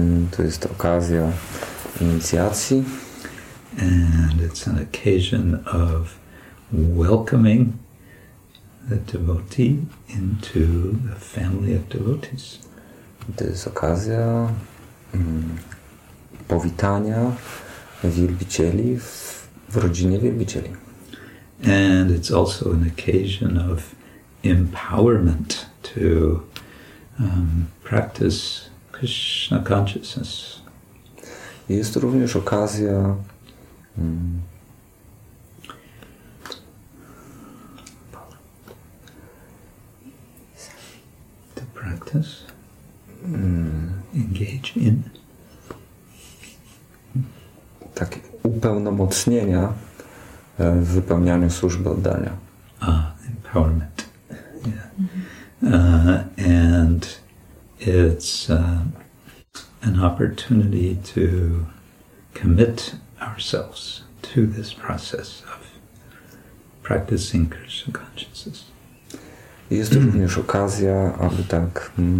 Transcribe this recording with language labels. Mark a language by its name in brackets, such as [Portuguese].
[Polish] To jest okazja inicjacji. [English] And it's an occasion of welcoming the devotee into the family of devotees. [Polish] To jest okazja powitania wielbicieli w rodzinie wielbicieli. [English] And it's also an occasion of empowerment to practice Krishna consciousness. [Polish] Jest również okazja [English] to practice, engage in. [Polish] Tak, upełnomocnienia w wypełnianiu służby oddania. [English] Empowerment. And it's an opportunity to commit ourselves to this process of practicing Krishna consciousness. [Polish] Jest to również okazja, aby tak